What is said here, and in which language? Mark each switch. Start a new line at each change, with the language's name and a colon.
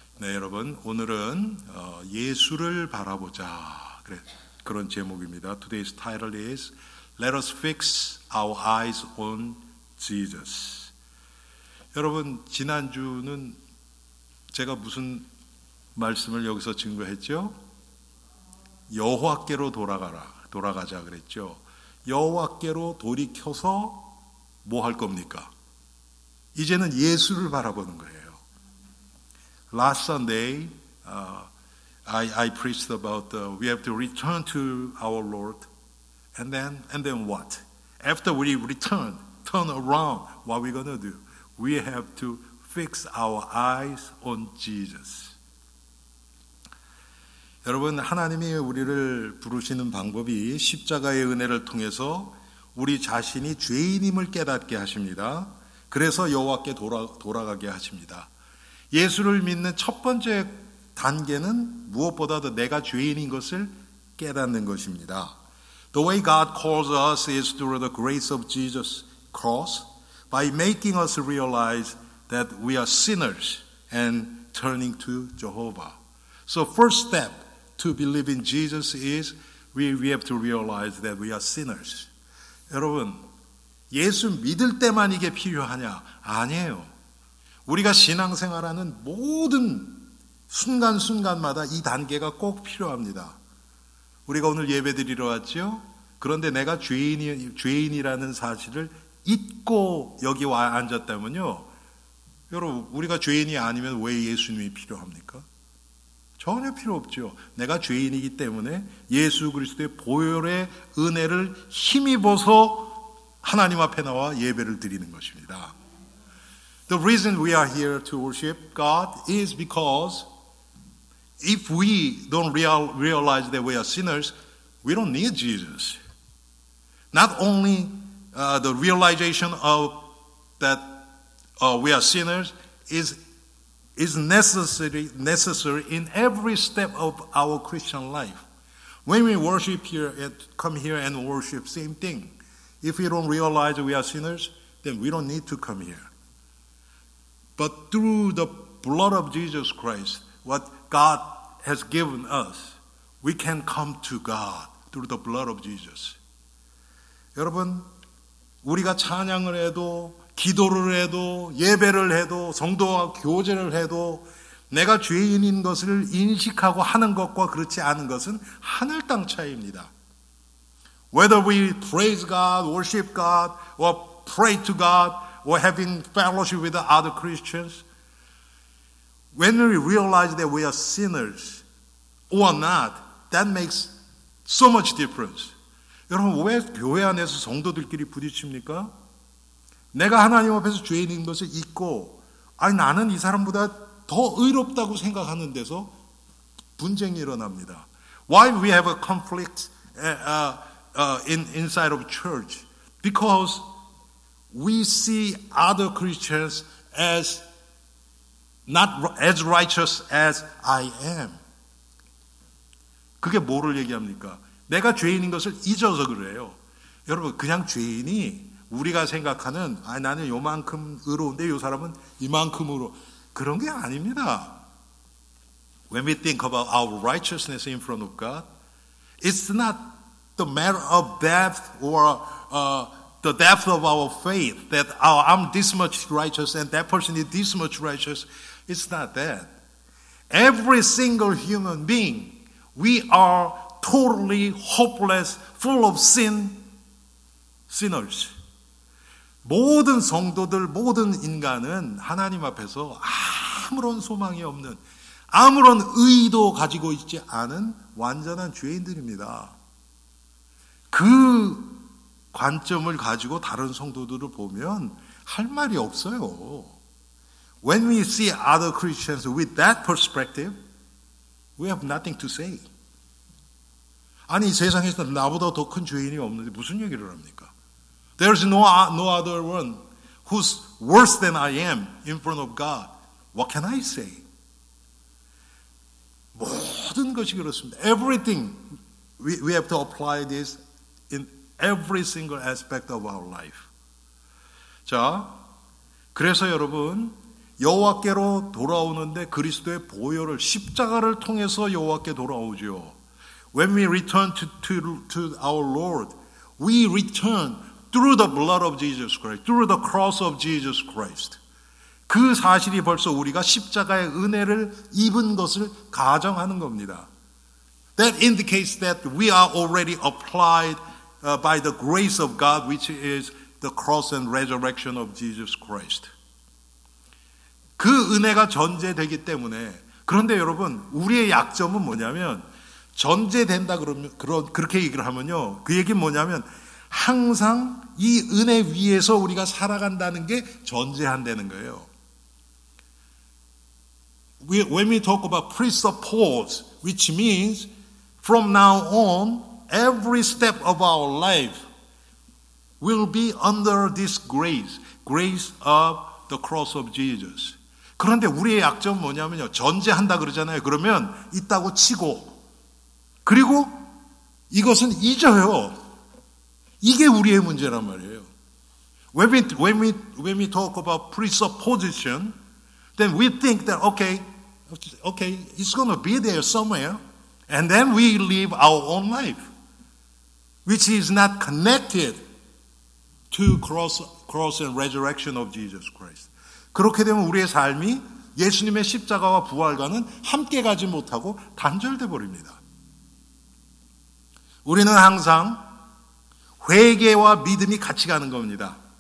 Korean: 네, 여러분, 오늘은 예수를 바라보자. 그런 제목입니다.
English: Today's title is Let us fix our eyes on Jesus.
Korean: 여러분, 지난주는 제가 무슨 말씀을 여기서 증거했죠? 여호와께로 돌아가라. 돌아가자 그랬죠. 여호와께로 돌이켜서 뭐 할 겁니까? 이제는 예수를 바라보는 거예요.
English: Last Sunday, I preached about we have to return to our Lord, and then what? After we return, turn around, what are we gonna do? We have to fix our eyes on Jesus.
Korean: 여러분, 하나님이 우리를 부르시는 방법이 십자가의 은혜를 통해서 우리 자신이 죄인임을 깨닫게 하십니다. 그래서 여호와께 돌아가게 하십니다. 예수를 믿는 첫 번째 단계는 무엇보다도 내가 죄인인 것을 깨닫는 것입니다.
English: The way God calls us is through the grace of Jesus' cross by making us realize that we are sinners and turning to Jehovah. So first step to believe in Jesus is we have to realize that we are sinners.
Korean: 여러분, 예수 믿을 때만 이게 필요하냐? 아니에요. 우리가 신앙생활하는 모든 순간순간마다 이 단계가 꼭 필요합니다. 우리가 오늘 예배드리러 왔죠? 그런데 내가 죄인이라는 사실을 잊고 여기 와 앉았다면요, 여러분, 우리가 죄인이 아니면 왜 예수님이 필요합니까? 전혀 필요 없죠. 내가 죄인이기 때문에 예수 그리스도의 보혈의 은혜를 힘입어서 하나님 앞에 나와 예배를 드리는 것입니다.
English: The reason we are here to worship God is because if we don't realize that we are sinners, we don't need Jesus. Not only the realization of that we are sinners is necessary in every step of our Christian life. When we worship here, come here and worship, same thing. If we don't realize we are sinners, then we don't need to come here. But through the blood of Jesus Christ, what God has given us, we can come to God through the blood of Jesus.
Korean: 여러분, 우리가 찬양을 해도, 기도를 해도, 예배를 해도, 성도와 교제를 해도, 내가 죄인인 것을 인식하고 하는 것과 그렇지 않은 것은 하늘 땅 차이입니다.
English: Whether we praise God, worship God, or pray to God, or having fellowship with the other Christians, when we realize that we are sinners or not, that makes so much difference.
Korean: 여러분, 왜 교회 안에서 성도들끼리 부딪힙니까? 내가 하나님 앞에서 죄인인 것을 잊고, 아니, 나는 이 사람보다 더 의롭다고 생각하는 데서 분쟁이 일어납니다.
English: Why we have a conflict inside of church? Because we see other Christians as not as righteous as I am.
Korean: 그게 뭐를 얘기합니까? 내가 죄인인 것을 잊어서 그래요. 여러분, 그냥 죄인이 우리가 생각하는 아, 나는 요만큼 의로운데 요 사람은 이만큼으로 그런 게 아닙니다.
English: When we think about our righteousness in front of God, it's not the matter of depth or the depth of our faith, that I'm this much righteous and that person is this much righteous. It's not that. Every single human being, we are totally hopeless, full of sin, sinners.
Korean: 모든 성도들, 모든 인간은 하나님 앞에서 아무런 소망이 없는, 아무런 의도 가지고 있지 않은 완전한 죄인들입니다. 그 관점을 가지고 다른 성도들을 보면 할 말이 없어요.
English: When we see other Christians with that perspective, we have nothing to say.
Korean: 아니, 세상에서 나보다 더 큰 죄인이 없는데 무슨 얘기를 합니까?
English: There is no other one who's worse than I am in front of God. What can I say?
Korean: 모든 것이 그렇습니다.
English: Everything, we have to apply this in every single aspect of our life.
Korean: 자, 그래서 여러분, 여호와께로 돌아오는데 그리스도의 보혈을 십자가를 통해서 여호와께 돌아오죠.
English: When we return to our Lord, we return through the blood of Jesus Christ, through the cross of Jesus Christ.
Korean: 그 사실이 벌써 우리가 십자가의 은혜를 입은 것을 가정하는 겁니다. That indicates that we are already applied by the grace of God, which is the cross and resurrection of Jesus Christ. 그 은혜가 전제되기 때문에, 그런데 여러분, 우리의 약점은 뭐냐면, 전제된다 그러면, 그렇게 얘기를 하면요. 그 얘기는 뭐냐면, 항상 이 은혜 위에서 우리가 살아간다는 게 전제한다는 거예요.
English: When we talk about presuppose, which means from now on, every step of our life will be under this grace, grace of the cross of Jesus.
Korean: 그런데 우리의 약점은 뭐냐면요. 전제한다 그러잖아요. 그러면 있다고 치고, 그리고 이것은 잊어요. 이게 우리의 문제란 말이에요.
English: When we talk about presupposition, then we think that, okay, it's going to be there somewhere. And then we live our own life, which is not connected to cross and resurrection of Jesus Christ.
Korean: 그렇게 되면 우리의 삶이 예수님의 십자가와 부활과는 함께 가지 못하고 단절돼 버립니다. 우리는 항상 회개와 믿음이 같이 가는 겁니다.